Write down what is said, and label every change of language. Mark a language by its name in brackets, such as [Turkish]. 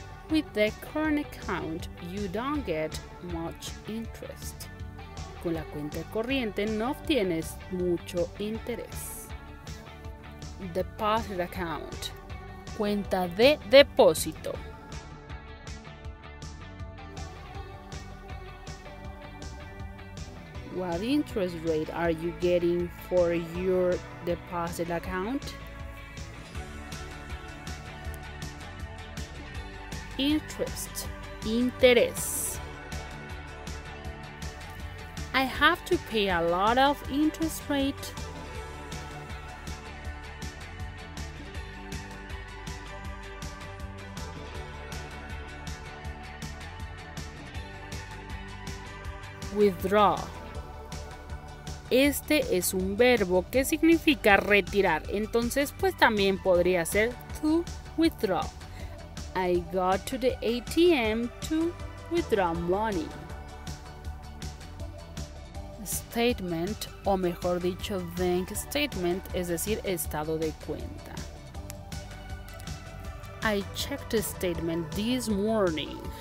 [English] With the current account, you don't get much interest. [Spanish] Con la cuenta corriente no obtienes mucho interés. [English] Deposit account. [Spanish] Cuenta de depósito. [English] What interest rate are you getting for your deposit account? Interest. Interés. I have to pay a lot of interest rate. [Spanish] Withdraw. Este es un verbo que significa retirar. Entonces, pues también podría ser to withdraw. [English] I go to the ATM to withdraw money. [Spanish] Statement, o mejor dicho, bank statement, es decir, estado de cuenta. [English] I checked the statement this morning.